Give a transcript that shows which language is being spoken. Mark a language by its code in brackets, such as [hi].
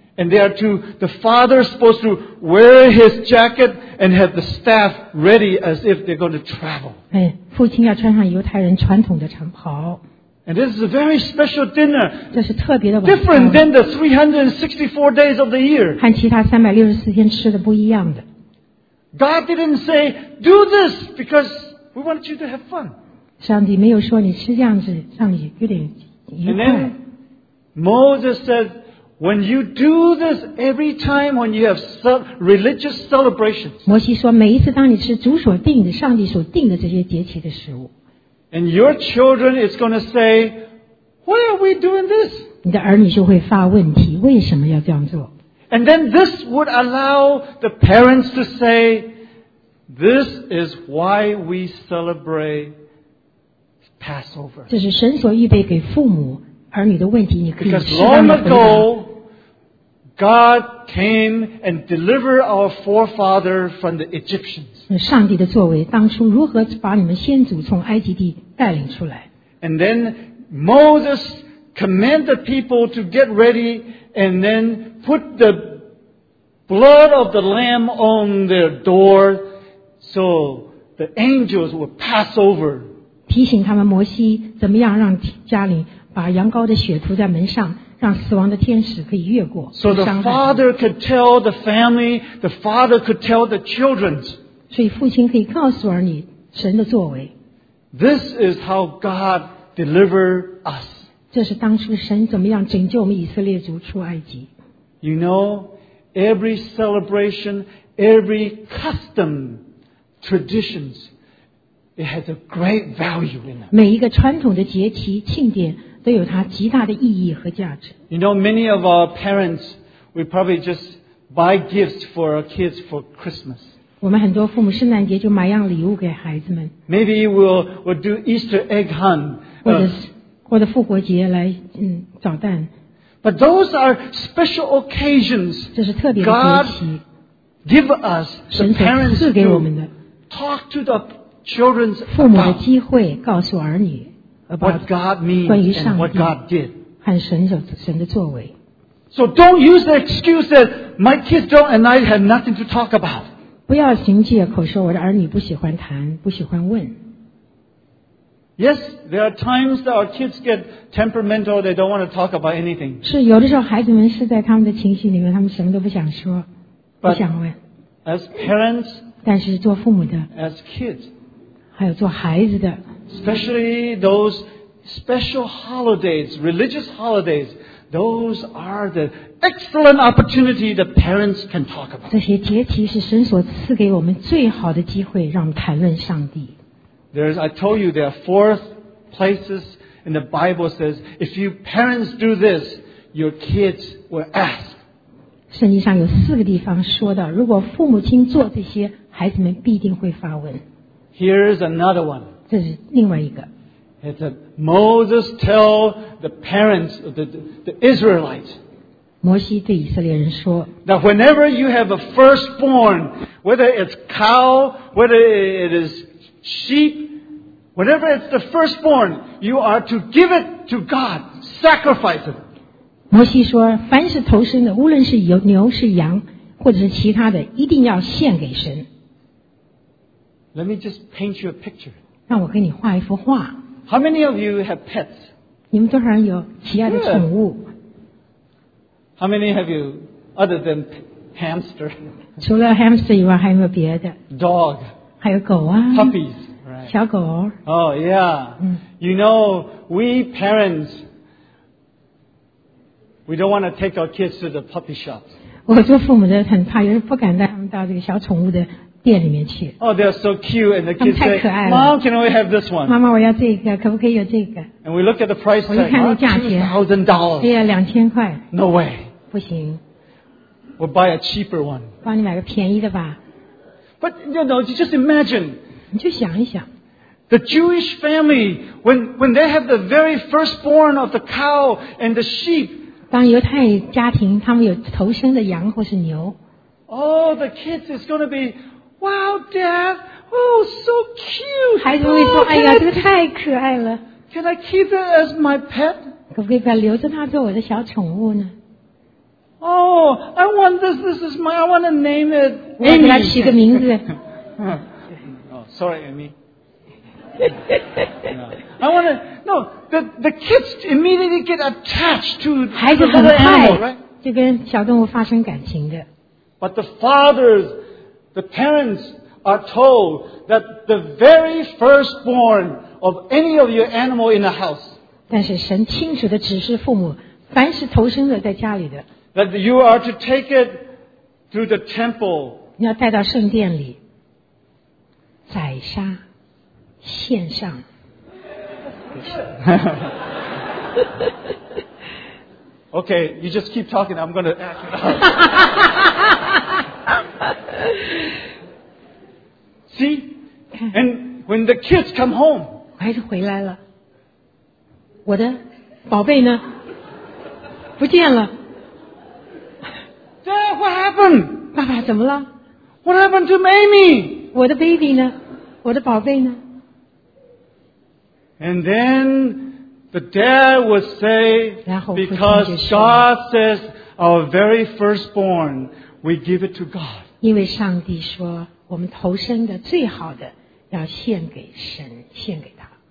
[en] And there too, the father is supposed to wear his jacket and have the staff ready as if they're going to travel. [zh] 父亲要穿上犹太人传统的长袍。 [en] And this is a very special dinner. [zh] 这是特别的晚餐。 [en] Different than the 364 days of the year. [zh] 和其他364天吃的不一样的。 [en] God didn't say, do this because we want you to have fun. [zh] 上帝没有说你吃这样子让你有点愉快。 [en] And then Moses said, when you do this every time when you have religious celebrations. [zh] 摩西说每一次当你吃主所定的上帝所定的这些节期的食物。 [en] And your children is going to say, why are we doing this? [zh] 你的儿女就会发问题，为什么要这样做？ [en] And then this would allow the parents to say, this is why we celebrate Passover. [zh] 这是神所预备给父母儿女的问题，你可以适当地回答。 [en] Because long ago, God came and delivered our forefather from the Egyptians. [zh] 上帝的作为，当初如何把你们先祖从埃及地带领出来。 [en] And then Moses commanded the people to get ready and then put the blood of the lamb on their door so the angels would pass over. [zh] 提醒他们摩西怎么样让家里把羊羔的血涂在门上让死亡的天使可以越过。 [en] So the father could tell the family, the father could tell the children. [zh] 所以父亲可以告诉儿女神的作为。 [en] This is how God delivered us. [zh] 这是当初神怎么样拯救我们以色列族出埃及。 [en] You know, every celebration, every custom, traditions, it has a great value in it. [zh] 每一个传统的节期庆典都有它极大的意义和价值。 [en] You know, many of our parents, we probably just buy gifts for our kids for Christmas. [zh] 我们很多父母圣诞节就买样礼物给孩子们。 [en] Maybe we'll do Easter egg hunt. [zh] 或者复活节来找蛋。 [en] But those are special occasions. [zh] 这是特别的节期。 [en] God give us the parents to talk to the children. [zh] 父母的机会告诉儿女。 [en] What God means and what God did. [zh] 和神的作为。 [en] So don't use the excuse that my kids don't and I have nothing to talk about. [zh] 不要行借口说我的儿女不喜欢谈不喜欢问。 [en] Yes, there are times that our kids get temperamental, they don't want to talk about anything. [zh] 是有的时候孩子们是在他们的情绪里面他们什么都不想说不想问。 [en] As parents, [zh] 但是做父母的 [en] as kids, [zh] 还有做孩子的 [en] Especially those special holidays, religious holidays, those are the excellent opportunity the parents can talk about. [zh] 这些节期是神所赐给我们最好的机会，让我们谈论上帝。 [en] I told you there are four places in the Bible says if you parents do this, your kids will ask. [zh] 圣经上有四个地方说到，如果父母亲做这些，孩子们必定会发问。 [en] Here is another one. [zh] 这是另外一个。 [en] It's a Moses tell the parents, the Israelites. [zh] 摩西对以色列人说。 [en] Now whenever you have a firstborn, whether it's cow, whether it is sheep, whenever it's the firstborn, you are to give it to God, sacrifice it. [zh] 摩西说，凡是投生的，无论是牛是羊，或者是其他的，一定要献给神。 [en] Let me just paint you a picture. [zh] 让我给你画一幅画。 [en] How many of you have pets? [zh] 你们多少人有喜爱的宠物？ [en] How many have you other than hamster? [zh] 除了 hamster 以外，还有没有别的？ [en] Dog. [zh] 还有狗啊。 [en] Puppies. Right. [zh] 小狗。 [en] Oh yeah. You know, we parents, We don't want to take our kids to the puppy shop. [zh] 我做父母的很怕，就是不敢带他们到这个小宠物的店里面去。 [en] Oh, they're so cute, and the kids say, "Mom, can we have this one?" [zh] 妈妈，我要这个，可不可以有这个 [en] ？And we look at the price tag. [zh] 我一看那价钱 [en] ，$2,000. [zh] 哎呀，$2,000。 [en] No way. [zh] 不行。 [en] We'll buy a cheaper one. [zh] 帮你买个便宜的吧。 [en] But you know, you just imagine. [zh] 你就想一想。 [en] The Jewish family, when they have the very firstborn of the cow and the sheep. [zh] 当犹太家庭他们有头生的羊或是牛。 [en] Oh, the kids is going to be, wow, Dad, oh, so cute. [zh] 孩子会说，哎呀，这个太可爱了。 [en] Can I keep it as my pet? [zh] 可不可以把留着它做我的小宠物呢？ [en] Oh, I want this. This is my. I want to name it. Amy. [zh] 我给它起个名字。 [en] Oh, sorry, Amy. No. I want to. No, the kids immediately get attached to the animal, right? [zh] 就跟小动物发生感情的。 [en] But the fathers, the parents are told that the very firstborn of any of your animal in the house. [zh] 但是神清楚的指示父母，凡是头生的在家里的。 [en] That you are to take it to the temple. [zh] 你要带到圣殿里，宰杀，献上。 [en] Okay, you just keep talking. I'm going to act. See, and when the kids come home, [zh] 孩子回来了，我的宝贝呢？不见了。 [en] Dad, what happened? [zh] 爸爸怎么了？ [en] What happened to Mamie? [zh] 我的 baby 呢？我的宝贝呢？ [en] And then the dad would say, because God says our very firstborn, we give it to God. [zh] 因为上帝说，我们头生的最好的要献给神，献给他。